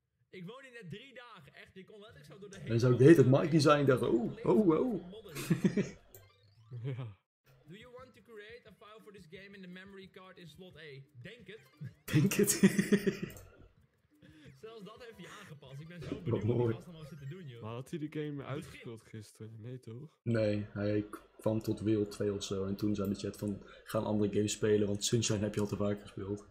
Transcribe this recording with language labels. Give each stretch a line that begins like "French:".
Dutch: Ik woon in net 3 dagen, echt, je kon letterlijk zo door de hele... En zou ik de hele tijd Mike design dachten,
English: Do you want to create a file for this game in the memory card in slot A?
Dutch: Denk het. Zelfs dat heeft hij aangepast, ik ben zo benieuwd wat hij allemaal zit te doen, joh. Maar had hij de game uitgespeeld gisteren? Nee, toch? Nee, hij kwam tot wereld 2 of zo en toen zei de chat van, ga een andere game spelen, want Sunshine heb je al te vaak gespeeld.